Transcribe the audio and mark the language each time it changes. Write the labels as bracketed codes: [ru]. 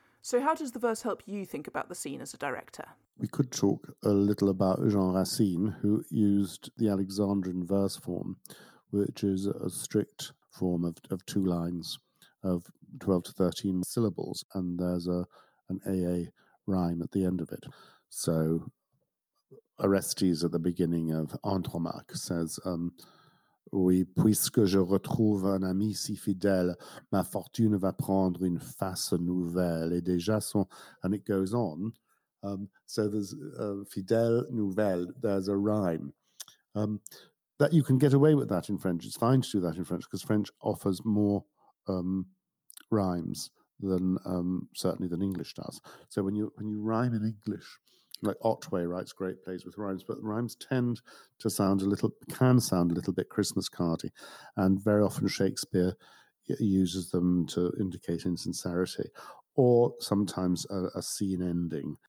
[en] So how does the verse help you think about the scene as a director? We could talk a little about Jean Racine, who used the Alexandrine verse form, which is a strict form of two lines of 12 to 13 syllables, and there's an AA rhyme at the end of it. So Orestes at the beginning of Andromaque says, [fr] oui, puisque je retrouve un ami si fidèle, ma fortune va prendre une face nouvelle, et déjà son... [en] And it goes on. So there's fidèle, nouvelle, there's a rhyme. That you can get away with that in French. It's fine to do that in French because French offers more rhymes than certainly than English does. So when you rhyme in English, like Otway writes great plays with rhymes, but rhymes can sound a little bit Christmas cardy, and very often Shakespeare uses them to indicate insincerity, or sometimes a scene ending.